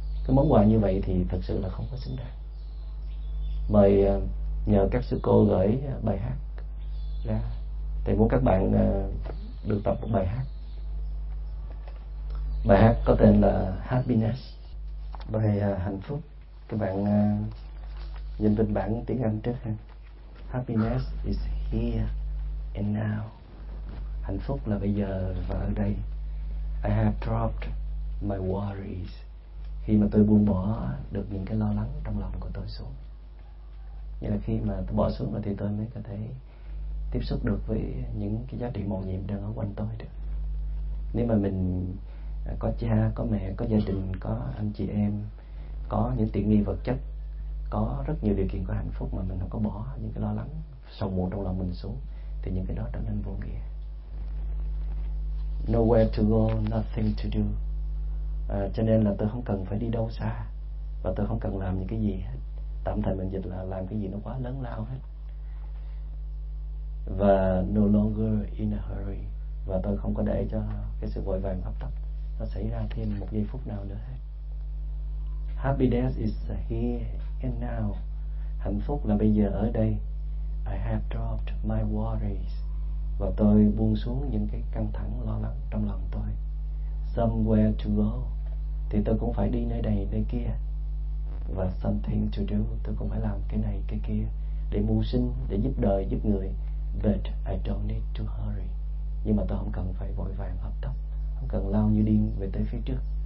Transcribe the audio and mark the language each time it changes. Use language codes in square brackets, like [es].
[vi] Cái món quà như vậy thì thật sự là không có xứng đáng. Mời nhờ các sư cô gửi bài hát ra, thầy muốn các bạn được tập một bài hát. Bài hát có tên là Happiness, bài hạnh phúc. Các bạn nhìn bên bảng tiếng Anh trước ha. [en] Happiness is here and now. [vi] Hạnh phúc là bây giờ và ở đây. [en] I have dropped my worries. [vi] Khi mà tôi buông bỏ được những cái lo lắng trong lòng của tôi xuống, nghĩa là khi mà tôi bỏ xuống rồi thì tôi mới có thể tiếp xúc được với những cái giá trị màu nhiệm đang ở quanh tôi được. Nếu mà mình có cha, có mẹ, có gia đình, có anh chị em, có những tiện nghi vật chất, có rất nhiều điều kiện có hạnh phúc mà mình không có bỏ những cái lo lắng, sầu muộn trong lòng mình xuống, thì những cái đó trở nên vô nghĩa. [en] Nowhere to go, nothing to do. [vi] Cho nên là tôi không cần phải đi đâu xa, và tôi không cần làm những cái gì hết. Tạm thời mình dịch là làm cái gì nó quá lớn lao hết. Và [en] no longer in a hurry. [vi] Và tôi không có để cho cái sự vội vàng hấp tấp nó xảy ra thêm một giây phút nào nữa hết. [en] Happiness is here and now. [vi] Hạnh phúc là bây giờ ở đây. [en] I have dropped my worries. [vi] Và tôi buông xuống những cái căng thẳng lo lắng trong lòng tôi. [en] Somewhere to go. [vi] Thì tôi cũng phải đi nơi này nơi kia. Và [en] something to do. [vi] Tôi cũng phải làm cái này cái kia để mưu sinh, để giúp đời, giúp người. [en] But I don't need to hurry. [vi] Nhưng mà tôi không cần phải vội vàng hấp tấp, không cần lao như điên về tới phía trước.